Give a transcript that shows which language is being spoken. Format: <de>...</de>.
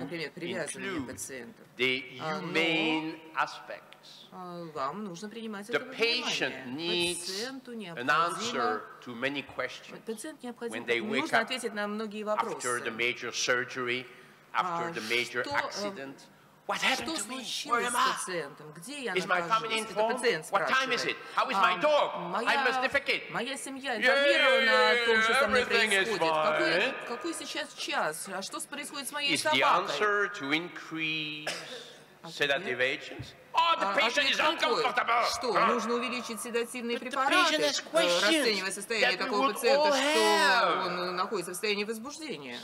<ru>Например, привязывание пациентов.</ru> <en>The humane aspects.</en> <ru>Вам нужно принимать это внимание. Пациенту необходимо. Пациент необходимо. Нужно ответить на многие вопросы.</ru> <en>After the major surgery, after the major accident,</en> <ru>Что случилось с пациентом? Где я нахожусь? Это пациент спрашивает.</ru> <en>How is my dog?</en> <ru>Моя семья информирована о том, что со мной происходит. Какой сейчас час? А что происходит с моей собакой? Что, нужно увеличить седативные препараты, расценивая состояние такого пациента, что он находится в состоянии возбуждения?</ru>